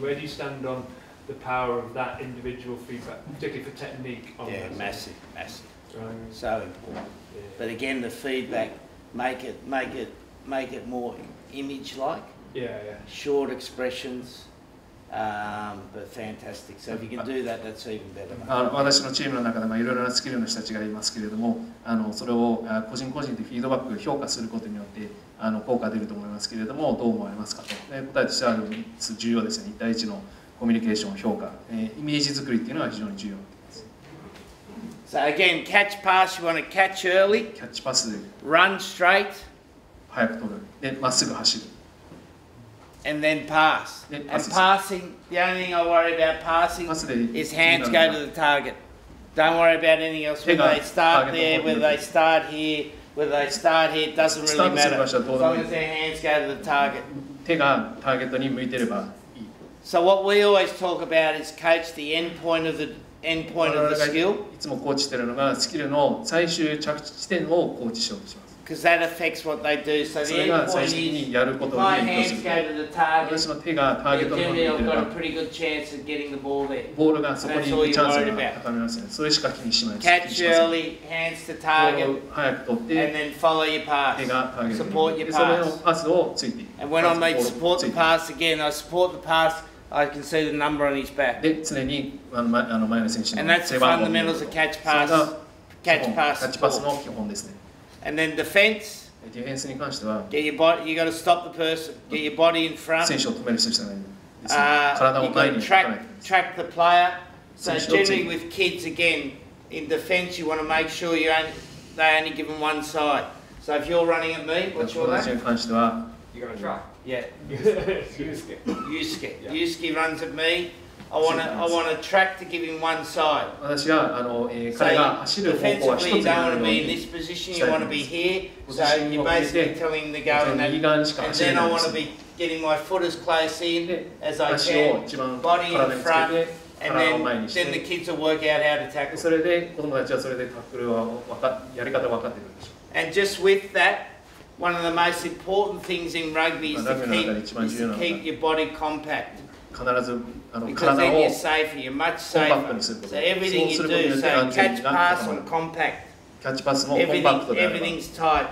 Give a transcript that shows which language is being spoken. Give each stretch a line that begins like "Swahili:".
English: Where do you stand on the power of that individual feedback, particularly for technique? Massive. Right. So important. Yeah. But again, the feedback, make it more image-like. Yeah. Short expressions, But fantastic. So if you can do that, that's even better.
Japanese: 私のチームの中でもいろいろなスキルの人たちがいますけれども、それを個人個人でフィードバック評価することによって効果が出ると思いますけれども、どう思われますかと。答えとしては3つ重要ですね。1対1のコミュニケーションを評価、イメージ作りっていうのは非常に重要になっています。
English: So again, catch pass, you want to catch early.
Japanese: キャッチパス。
English: Run straight.
Japanese: 早く取る。で、まっすぐ走る。
English: And then pass. And passing, the only thing I worry about passing is hands go to the target. Don't worry about anything else. When they start there, whether they start here, whether they start here, it doesn't really matter. As long as their hands go to the target.
Japanese: 手がターゲットに向いてればいい。
English: So what we always talk about is coach the end point of the skill.
Japanese: いつもコーチしてるのがスキルの最終着地地点をコーチしようとします。
English: Because that affects what they do. So the end point is, if my hands go to the target, then generally I've got a pretty good chance of getting the ball there.
Japanese: ボールがそこにいるチャンスが高めますね。それしか気にしません。
English: Catch early, hands to target,
Japanese: ボールを早く取って、
English: and then follow your pass.
Japanese: 手がターゲット、
English: support your pass.
Japanese: それのパスをついて。
English: And when I make support the pass again, I support the pass, I can see the number on his back.
Japanese: で、常に前の選手の背番号。
English: And that's the fundamentals of catch pass. Catch pass.
Japanese: キャッチパスの基本ですね。
English: And then defense.
Japanese: ディフェンスに関しては、
English: get your body, you got to stop the person. Get your body in front.
Japanese: 選手を止める必要がないんです。体を前に引っ張らない。
English: Track the player. So generally with kids, again, in defense, you want to make sure you only, they only give them one side. So if you're running at me, what's your name?
Japanese: 私に関しては、
English: you got to track. Yeah. Yusuke. Yusuke. Yusuke runs at me. I want to track to give him one side.
Japanese: 私は彼が走る方向は一つになるように。
English: You don't want to be in this position. You want to be here. So you're basically telling the go in that. And then I want to be getting my foot as close in as I can. Body in front. And then the kids will work out how to tackle.
Japanese: それで子供たちはそれでタックルはやり方分かってるでしょう。
English: And just with that, one of the most important things in rugby is to keep your body compact.
Japanese: 必ず
English: Because then you're safer, you're much safer. So everything you do, so catch pass and compact.
Japanese: Catch pass もコンパクトであれば。
English: Everything's tight.